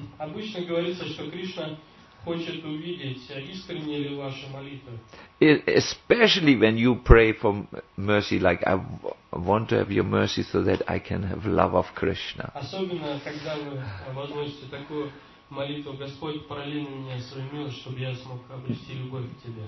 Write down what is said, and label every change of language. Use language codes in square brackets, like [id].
[ru] Обычно говорится, что Кришна хочет увидеть, искренне ли ваша молитва. [en] Especially when you pray for mercy, like I want to have your mercy so that I can have love of Krishna. [ru] Особенно когда вы возносите такую молитву: Господь, пролей на меня свою милость, чтобы я смог обрести любовь к тебе.